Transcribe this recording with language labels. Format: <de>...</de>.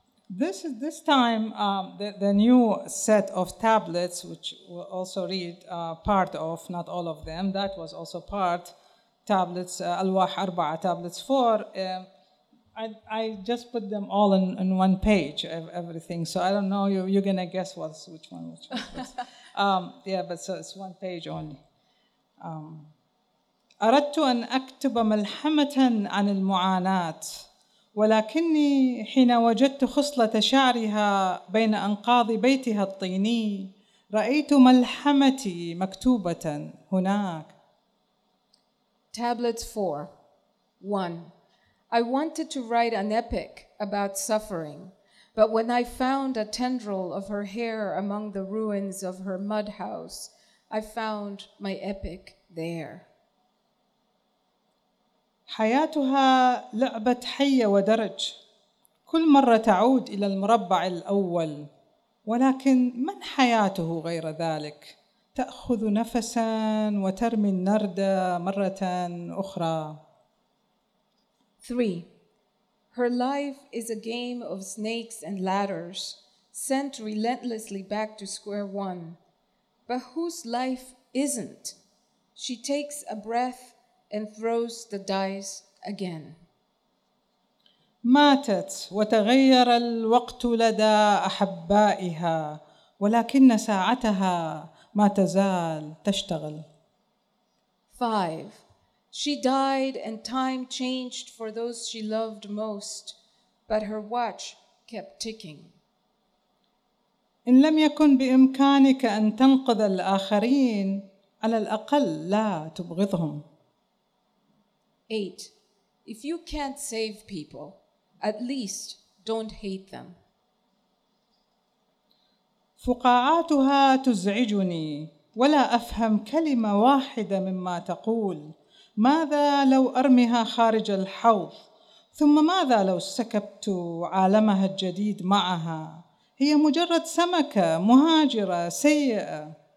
<en>This time, the new set of tablets, which we'll also read part of, not all of them, that was also part, tablets,</en> <ar>Alwah Arba'a,</ar> <en>tablets four, I just put them all in one page, everything. So I don't know, you're going to guess which one. but so it's one page only.</en> <ar>أردت أن أكتب ملحمة عن المعاناة ولكني حين وجدت خصلة شعرها بين أنقاض بيتها الطيني رأيت ملحمتي مكتوبة هناك.</ar> <en>Tablets 4. 1. I wanted to write an epic about suffering, but when I found a tendril of her hair among the ruins of her mud house, I found my epic there.</en> <ar>حياتها لعبة حية ودرج كل مرة تعود إلى المربع الأول ولكن من حياته غير ذلك تأخذ نفسا وترمي النردة مرة أخرى.</ar> <en>3. Her life is a game of snakes and ladders sent relentlessly back to square one. But whose life isn't? She takes a breath and throws the dice again.</en> <ar>ماتت وتغير الوقت لدى أحبائها ولكن ساعتها ما تزال تشتغل.</ar> <en>5. She died and time changed for those she loved most, but her watch kept ticking.</en> <ar>إن لم يكن بإمكانك أن تنقذ الآخرين على الأقل لا تبغضهم.</ar> <en>8. If you can't save people, at least don't hate them.</en> <ar>فقاعاتها تزعجني ولا أفهم كلمة واحدة مما تقول. ماذا لو أرميها خارج الحوض؟ ثم ماذا لو سكبت عالمها الجديد معها؟ هي مجرد سمكة مهاجرة سيئة.</ar>